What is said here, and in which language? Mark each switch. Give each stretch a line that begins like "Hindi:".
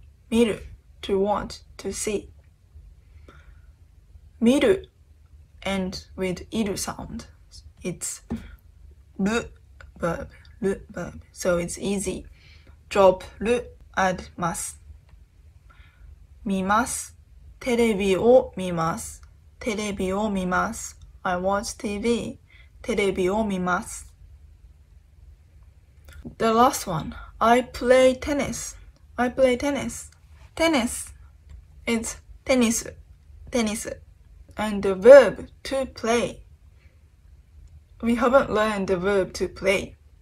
English: 見る to want to see
Japanese: 見る
English: and with いる sound it's る verb る verb so it's easy drop る add ます
Japanese: 見ますテレビを見ますテレビを見ます
English: I watch TV
Japanese: テレビを見ます
English: The last one I play tennisI play tennis. Tennis is tennis, tennis. And the verb to play. We haven't learned the verb to play.